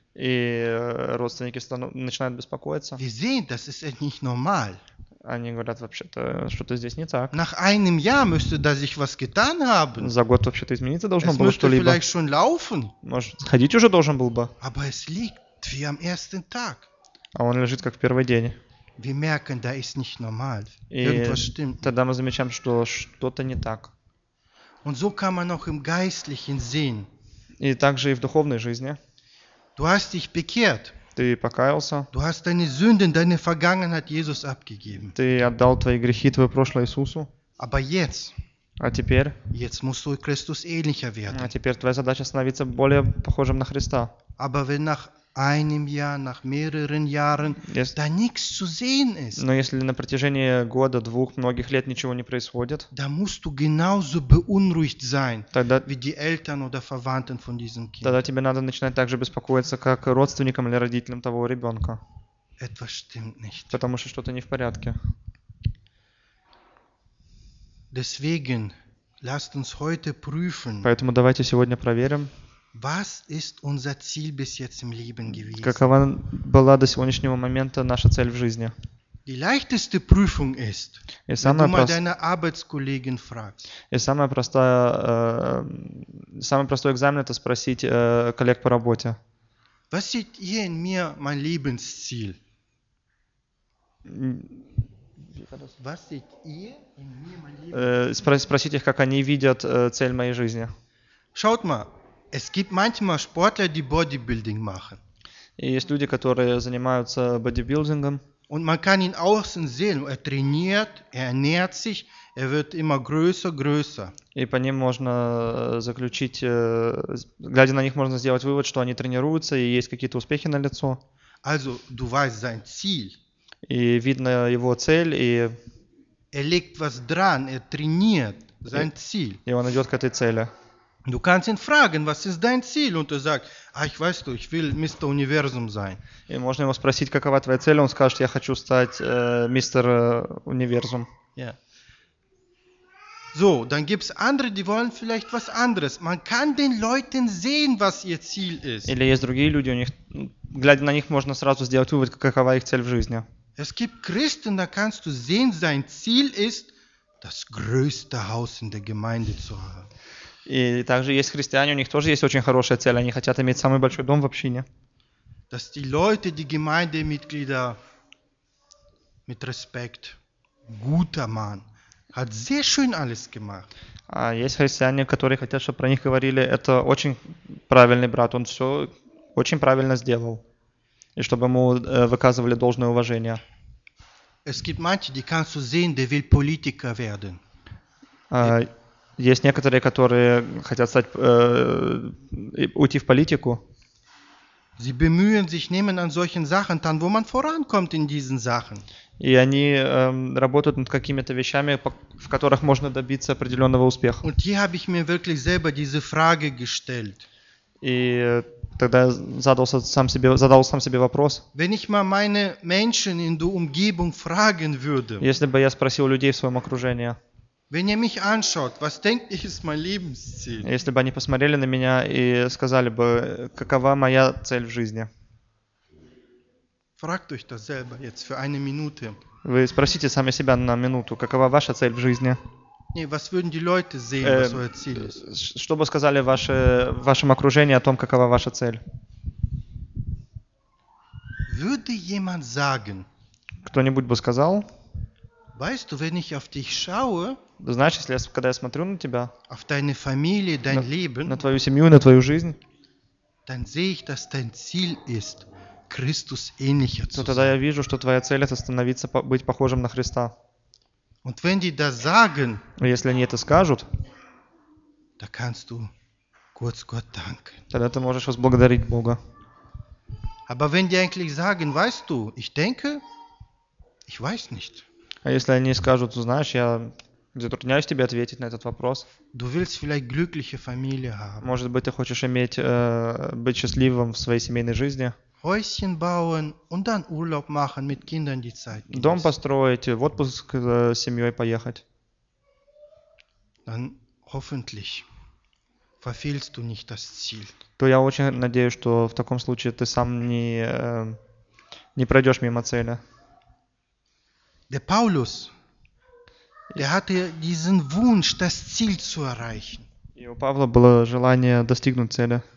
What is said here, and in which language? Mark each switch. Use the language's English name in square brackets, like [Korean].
[Russian] И родственники начинают беспокоиться. [German] Wir sehen, das ist nicht normal. [Russian] Они говорят, вообще-то, что-то здесь не так. [German] Nach einem Jahr müsste da sich was getan haben. [Russian] За год вообще-то измениться должно было что-либо. [German] Es müsste vielleicht schon laufen. [Russian] Может, ходить уже должен был бы. [German] Aber es liegt wie am ersten Tag. [Russian] А он лежит как в первый день. [German] Wir merken, da ist nicht normal. [Russian] И [German] irgendwas stimmt. [Russian] Тогда мы замечаем, что что-то не так. [German] Und so kann man auch im Geistlichen sehen. [Russian] И также и в духовной жизни. [German] Du hast dich bekehrt. [Russian] Ты покаялся. [German] Du hast deine Sünden, deine Vergangenheit Jesus abgegeben. [Russian] Ты отдал твои грехи, твое прошлое Иисусу. [German] Aber jetzt. [Russian] А теперь? [German] Jetzt musst du Christus ähnlicher werden. [Russian] А теперь твоя задача становиться более похожим на Христа. [German] Aber wenn nach einem Jahr, nach mehreren Jahren, [Russian] если, [German] da nichts zu sehen ist. [Russian] Но если на протяжении года, двух, многих лет ничего не происходит, [German] da musst du genauso beunruhigt sein, [Russian] тогда, [German] wie die Eltern oder Verwandten von diesem Kind. [Russian] Тогда тебе надо начинать так же беспокоиться, как родственникам или родителям того ребенка. [German] Etwas stimmt nicht. [Russian] Потому что что-то не в порядке. [German] Deswegen, lasst uns heute prüfen. [Russian] Поэтому давайте сегодня проверим. [German] Was ist unser Ziel bis jetzt im Leben gewesen? [Russian] Какова была до сегодняшнего момента наша цель в жизни? [German] Die leichteste Prüfung ist, wenn du mal deine Arbeitskollegen fragst. [Russian] И самый простой экзамен это спросить коллег по работе. [German] Was sieht ihr in mir mein Lebensziel? Was sieht ihr in mir mein Lebensziel? [Russian] Спросить их, как они видят цель моей жизни. [German] Schaut mal. Es gibt manchmal Sportler, die Bodybuilding machen. [Russian] И есть люди, которые занимаются бодибилдингом. [German] Und man kann ihn außen sehen. Er trainiert, er ernährt sich, er wird immer größer, größer. [Russian] И по ним можно заключить, глядя на них, можно сделать вывод, что они тренируются и есть какие-то успехи на лицо. [German] Also, du weißt sein Ziel. [Russian] И видно его цель. И [German] er legt was dran, er trainiert sein Ziel. [Russian] И он идет к этой цели. [German] Du kannst ihn fragen, was ist dein Ziel? Und er sagt, ich weiß du, ich will Mr. Universum sein. [Russian] И можно его спросить, какова твоя цель? Он скажет, я хочу стать мистер Универсум. Yeah. [German] So, dann gibt's andere, die wollen vielleicht was anderes. Man kann den Leuten sehen, was ihr Ziel ist. [Russian] Или есть другие люди, у них, глядя на них, можно сразу сделать вывод, какова их цель в жизни. [German] Es gibt Christen, da kannst du sehen, sein Ziel ist, das größte Haus in der Gemeinde zu haben. [Russian] И также есть христиане, у них тоже есть очень хорошая цель, они хотят иметь самый большой дом в общине. [German] Dass die Leute, die Gemeindemitglieder mit Respekt, guter Mann, hat sehr schön alles gemacht. [Russian] А есть христиане, которые хотят, чтобы про них говорили, это очень правильный брат, он все очень правильно сделал. И чтобы ему выказывали должное уважение. [German] Es gibt manche, die kannst du sehen, der will Politiker werden. [Russian] Есть некоторые, которые хотят стать, уйти в политику. [German] Sie bemühen sich, nehmen an solchen Sachen teil, wo man vorankommt in diesen Sachen. [Russian] И они работают над какими-то вещами, в которых можно добиться определенного успеха. [German] Und hier habe ich mir wirklich selber diese Frage gestellt. [Russian] И тогда задал сам себе вопрос. [German] Wenn ich mal meine Menschen in der Umgebung fragen würde. [Russian] Если бы я спросил людей в своем окружении. [German] Wenn ihr mich anschaut, was denkt ihr, ist mein Lebensziel? [Russian] Если бы они посмотрели на меня и сказали бы, какова моя цель в жизни? [German] Fragt euch das selber jetzt für eine Minute. [Russian] Вы спросите сами себя на минуту, какова ваша цель в жизни? [German] Nee, was würden die Leute sehen, was euer Ziel ist? [Russian] Что бы сказали в вашем окружении о том, какова ваша цель? [German] Würde jemand sagen? [Russian] Кто-нибудь бы сказал? [German] Weißt du, wenn ich auf dich schaue, [Russian] знаешь, если когда я смотрю на тебя, [German] auf deine Familie, dein Leben, [Russian] на твою семью, на твою жизнь, [German] dann sehe ich, dass dein Ziel ist, Christus ähnlicher zu sein. [Russian] Тогда я вижу, что твоя цель это становиться быть похожим на Христа. [German] Und wenn die das sagen, [Russian] если они это скажут, [German] da kannst du kurz Gott danken. [Russian] Тогда ты можешь возблагодарить Бога. [German] Aber wenn die eigentlich sagen, weißt du, ich denke, ich weiß nicht. [Russian] А если они скажут, знаешь, я затрудняюсь тебе ответить на этот вопрос. [German] Du willst vielleicht glückliche Familie haben. [Russian] Может быть, ты хочешь иметь, быть счастливым в своей семейной жизни. [German] Häuschen bauen und dann Urlaub machen mit Kindern die Zeit. [Russian] Дом построить, в отпуск с семьей поехать. [German] Dann hoffentlich verfehlst du nicht das Ziel. [Russian] То я очень надеюсь, что в таком случае ты сам не пройдешь мимо цели. [German] Der Paulus, der hatte diesen Wunsch, das Ziel zu erreichen. [Russian] И у Павла было желание достигнуть цели.